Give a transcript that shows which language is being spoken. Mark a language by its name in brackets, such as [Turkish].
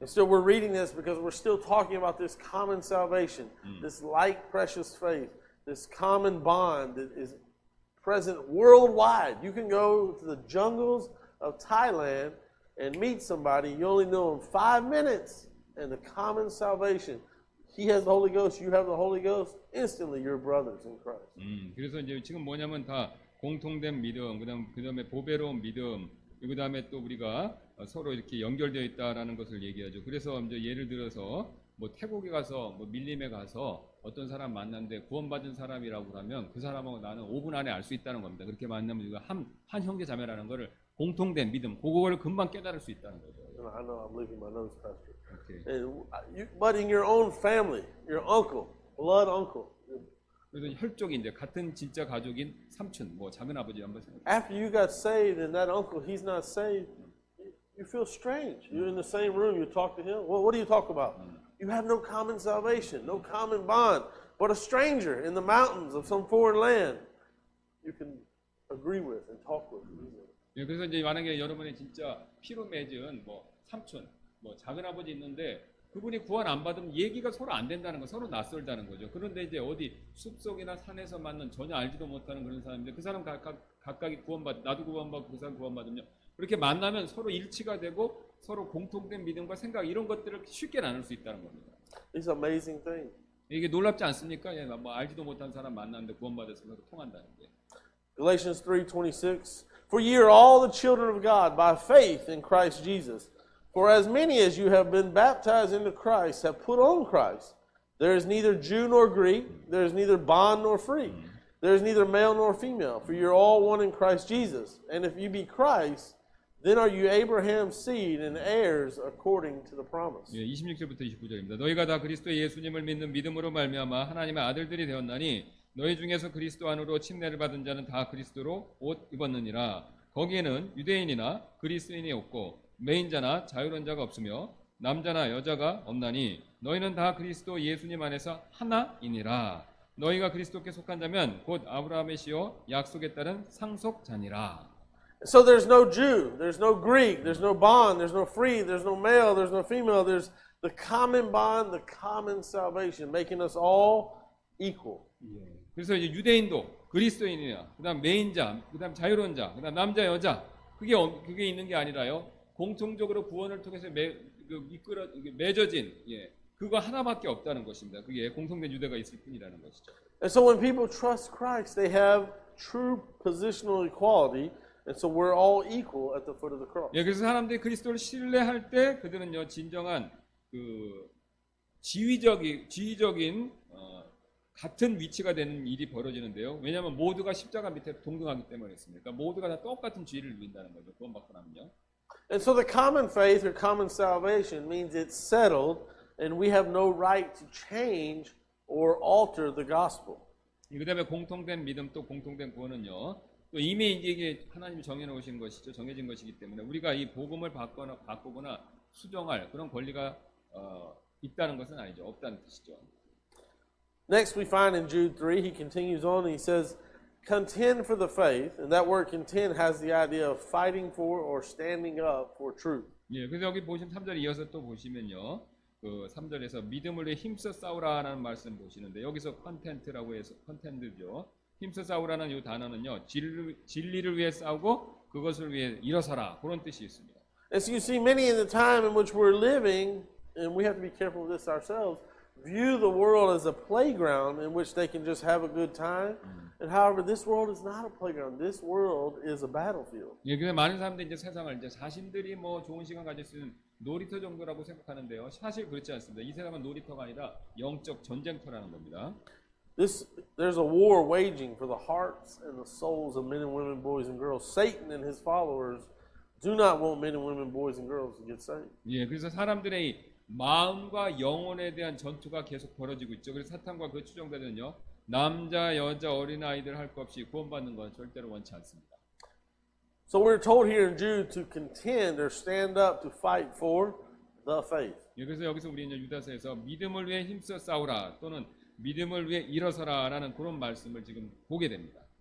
[English] And so we're reading this because we're still talking about this common salvation, this like precious faith, this common bond that is present worldwide. You can go to the jungles of Thailand and meet somebody you only know in 5 minutes, and the common salvation. He has the Holy Ghost, you have the Holy Ghost. Instantly, you're brothers in Christ. [Korean] 그래서 이제 지금 뭐냐면 다 공통된 믿음, 그다음에 보배로운 믿음. 그 다음에 또 우리가 서로 이렇게 연결되어 있다라는 것을 얘기하죠. 그래서 이제 예를 들어서 뭐 태국에 가서 뭐 밀림에 가서 어떤 사람 만났는데 구원받은 사람이라고 하면 그 사람하고 나는 5분 안에 알 수 있다는 겁니다. 그렇게 만나면 우리가 한 형제 자매라는 것을 공통된 믿음, 그거를 금방 깨달을 수 있다는 거죠. [English] I know I'm leaving my nose, Pastor. Okay. But in your own family, your uncle, blood uncle. [Korean] 그래서 혈족인 이제 같은 진짜 가족인 삼촌, 뭐 작은 아버지 한번 생각해. [English] After you got saved and that uncle, he's not saved, you feel strange. You're in the same room, you talk to him. Well, what do you talk about? You have no common salvation, no common bond, but a stranger in the mountains of some foreign land, you can agree with and talk with. [Korean] 예, 그래서 이제 만약에 여러분의 진짜 피로 맺은 뭐 삼촌, 뭐 작은 아버지 있는데. 그분이 구원 안 받으면 얘기가 서로 안 된다는 거, 서로 낯설다는 거죠. 그런데 이제 어디 숲속이나 산에서 만난 전혀 알지도 못하는 그런 사람인데 그 사람 각각이 나도 구원받고 그 사람 구원받으면 그렇게 만나면 서로 일치가 되고 서로 공통된 믿음과 생각 이런 것들을 쉽게 나눌 수 있다는 겁니다. [English] It's amazing thing. [Korean] 이게 놀랍지 않습니까? 예, 뭐 알지도 못한 사람 만났는데 구원받아서 서로 통한다는 게. [English] Galatians 3:26. For ye are all the children of God by faith in Christ Jesus. For as many as you have been baptized into Christ have put on Christ. There is neither Jew nor Greek, there is neither bond nor free, there is neither male nor female, for you are all one in Christ Jesus. And if you be Christ, then are you Abraham's seed and heirs according to the promise. [Korean] 예, 26절부터 29절입니다. 너희가 다 그리스도 예수님을 믿는 믿음으로 말미암아 하나님의 아들들이 되었나니 너희 중에서 그리스도 안으로 침례를 받은 자는 다 그리스도로 옷 입었느니라. 거기에는 유대인이나 그리스인이 없고 매인자나 자유로운 자가 없으며 남자나 여자가 없나니 너희는 다 그리스도 예수님 안에서 하나이니라. 너희가 그리스도께 속한 자면 곧 아브라함의 씨요 약속에 따른 상속자니라. [English] So there's no Jew, there's no Greek, there's no bond, there's no free, there's no male, there's no female. There's the common bond, the common salvation, making us all equal. [Korean] 그래서 이제 유대인도 그리스도인이냐, 그다음 매인자, 그다음 자유로운 자, 그다음 남자 여자 그게 있는 게 아니라요. 공통적으로 구원을 통해서 맺어진 예, 그거 하나밖에 없다는 것입니다. 그게 공통된 유대가 있을 뿐이라는 것이죠. [English] And so when people trust Christ, they have true positional equality, and so we're all equal at the foot of the cross. [Korean] 예, 그래서 사람들이 그리스도를 신뢰할 때 그들은요 진정한 그 지위적인 같은 위치가 되는 일이 벌어지는데요. 왜냐하면 모두가 십자가 밑에 동등하기 때문이었습니다. 그러니까 모두가 다 똑같은 지위를 누린다는 거죠. 구원받고 나면요. [English] And so the common faith or common salvation means it's settled and we have no right to change or alter the gospel. [Korean] 그 다음에 공통된 믿음 또 공통된 구원은요. 또 이미 이게 하나님이 정해놓으신 것이죠. 정해진 것이기 때문에 우리가 이 복음을 바꾸거나 수정할 그런 권리가 있다는 것은 아니죠. 없다는 뜻이죠. [English] Next we find in Jude 3, he continues on and he says, Contend for the faith, and that word contend has the idea of fighting for or standing up for truth. [Korean] 예, 그래서 여기 보시면 3절 이어서 또 보시면요, 그 3절에서 믿음으로 힘써 싸우라라는 말씀 보시는데 여기서 컨텐트라고 해서 컨텐드죠. 힘써 싸우라는 이 단어는요, 진리를 위해 싸우고 그것을 위해 일어서라 그런 뜻이 있습니다. [English] As you see, many in the time in which we're living, and we have to be careful of this ourselves, view the world as a playground in which they can just have a good time. And however, this world is not a playground. This world is a battlefield. [Korean] 예, 근데 많은 사람들이 이제 세상을 이제 자신들이 뭐 좋은 시간 가질 수 있는 놀이터 정도라고 생각하는데요. 사실 그렇지 않습니다. 이 세상은 놀이터가 아니라 영적 전쟁터라는 겁니다. [English] This there's a war waging for the hearts and the souls of men and women, boys and girls. Satan and his followers do not want men and women, boys and girls to get saved. [Korean] 예, 그래서 사람들의 마음과 영혼에 대한 전투가 계속 벌어지고 있죠. 그래서 사탄과 그 추종자들은요. 남자, 여자, 어린 아이들 할 것 없이 구원받는 건 절대로 원치 않습니다. [English] So we're told here in Jude to contend or stand up to fight for the faith. [Korean] 그래서 여기서 우리는 유다서에서 믿음을 위해 힘써 싸우라 또는 믿음을 위해 일어서라라는 그런 말씀을 지금 보게 됩니다.